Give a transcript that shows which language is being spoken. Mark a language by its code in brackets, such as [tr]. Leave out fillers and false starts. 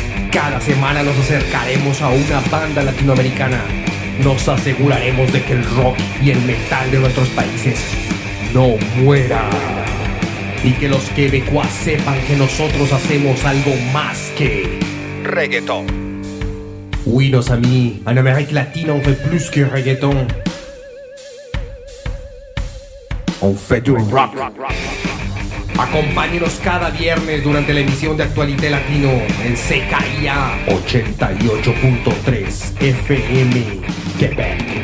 [es] Cada semana nos acercaremos a una banda latinoamericana. Nos aseguraremos de que el rock y el metal de nuestros países no muera. Y que los quebecuas sepan que nosotros hacemos algo más que reggaetón. [fr] Oui, nos amis, en Amérique latine, on fait plus que reggaetón. On fait du rock. [es] Acompáñenos cada viernes durante la emisión de Actualité Latino en CKIA 88.3 FM Quebec.